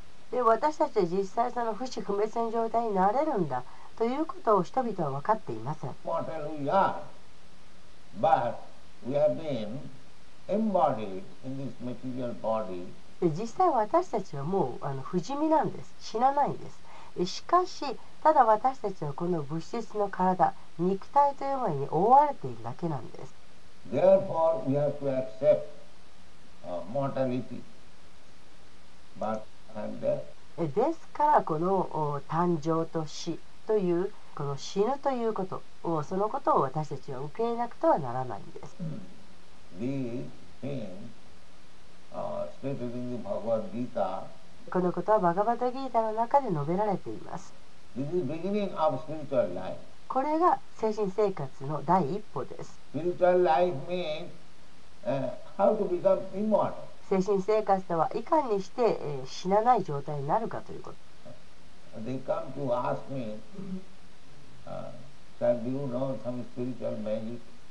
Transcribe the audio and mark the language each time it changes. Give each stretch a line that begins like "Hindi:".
Japanese: で、私たちは実際その不死不滅の状態になれるんだということを人々は分かっていません。
English: Mortal we are, but we have beenEmbodied in this material body.
Japanese: 実際私たちはもう不死身なんです。死なないんです。しかし、ただ私たちはこの物質の体、肉体というものに覆われているだけなんです。
English: Therefore, we have to accept mortality. But and death.
Japanese: ですからこの誕生と死というこの死ぬということを、そのことを私たちは受け入れなくてはならないんです。
English: Mm. These things, stated in the
Japanese: このことはバガバタギータの中で述べられています。
English: This is beginning of spiritual life.
Japanese: これが精神生活の第一歩です。
English: Spiritual life means, how to become immortal.
Japanese: 精神生活とはいかにして、死なない状態になるかということ。
English: They come to ask me, sir, do you know some spiritual magic